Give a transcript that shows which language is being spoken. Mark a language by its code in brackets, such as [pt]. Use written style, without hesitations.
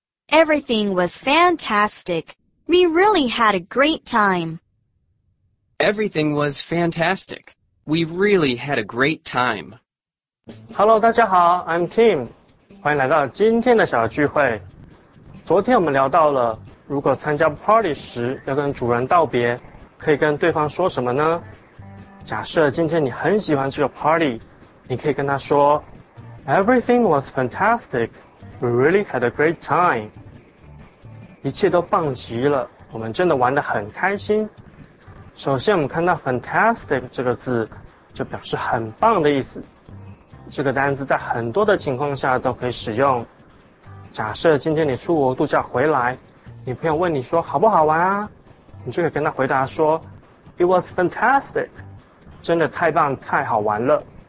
[en] Everything was fantastic. We really had a great time. Everything was fantastic. We really had a great time. [zh] Hello, 大家好 [en] I'm Tim. [zh] 欢迎来到今天的小聚会。昨天我们聊到了如果参加 party 时要跟主人道别，可以跟对方说什么呢？假设今天你很喜欢这个 party， 你可以跟他说 [en] Everything was fantastic. We really had a great time. [zh] 一切都棒极了，我们真的玩得很开心。首先我们看到 fantastic 这个字就表示很棒的意思，这个单字在很多的情况下都可以使用。假设今天你出国度假回来，你朋友问你说好不好玩啊，你就可以跟他回答说 [en] It was fantastic， [zh] 真的太棒太好玩了。